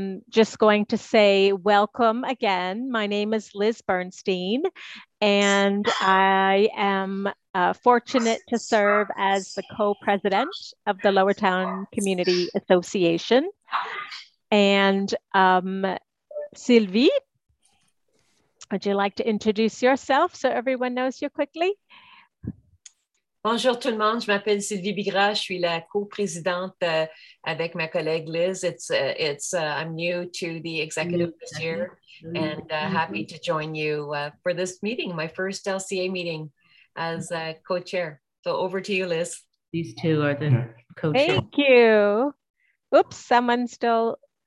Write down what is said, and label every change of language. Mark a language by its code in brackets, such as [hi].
[en] Just going to say welcome again. My name is Liz Bernstein, and I am fortunate to serve as the co-president of the Lower Town Community Association. And Sylvie, would you like to introduce yourself so everyone knows you quickly? [fr] Bonjour tout le monde, je m'appelle Sylvie Bigra, je suis la co-présidente avec ma collègue Liz. [en] I'm new to the executive this year and happy to join you for this meeting, my first LCA meeting as co-chair. So over to you, Liz. These two are the co-chair. Thank you. Oops, someone stole.